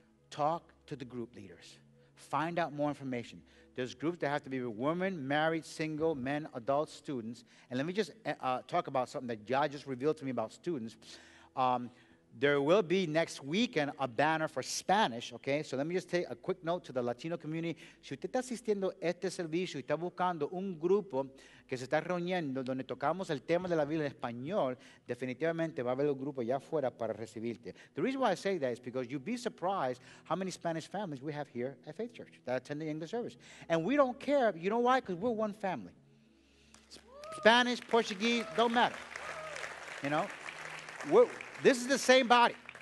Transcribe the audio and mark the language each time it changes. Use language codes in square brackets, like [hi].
[en] Talk to the group leaders. Find out more information. There's groups that have to be with women, married, single, men, adult, students. And let me just talk about something that God just revealed to me about students. There will be next weekend a banner for Spanish, okay? So let me just take a quick note to the Latino community. [es] Si usted está asistiendo a este servicio y está buscando un grupo que se está reuniendo donde tocamos el tema de la Biblia en español, definitivamente va a haber un grupo allá afuera para recibirte. [en] The reason why I say that is because you'd be surprised how many Spanish families we have here at Faith Church that attend the English service. And we don't care. You know why? Because we're one family. Spanish, Portuguese, don't matter. You know? This is the same body.